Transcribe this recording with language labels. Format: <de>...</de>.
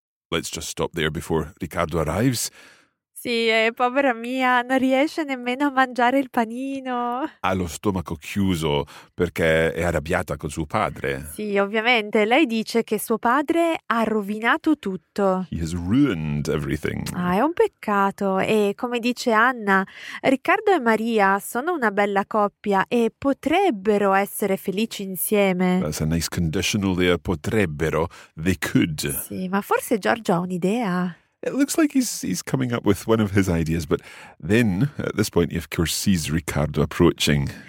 <en>Let's just stop there before Riccardo arrives.</en> <it>Sì, povera mia, non riesce nemmeno a mangiare il panino. Ha lo stomaco chiuso perché è arrabbiata con suo padre. Sì, ovviamente. Lei dice che suo padre ha rovinato tutto.</it> <en>He has ruined everything.</en> <it>Ah, è un peccato. E come dice Anna, Riccardo e Maria sono una bella coppia e potrebbero essere felici insieme.</it> <en>That's a nice conditional there. Potrebbero. They could.</en> <it>Sì, ma forse Giorgio ha un'idea.</it> <en>It looks like he's coming up with one of his ideas, but then, at this point, he of course sees Riccardo approaching.</en>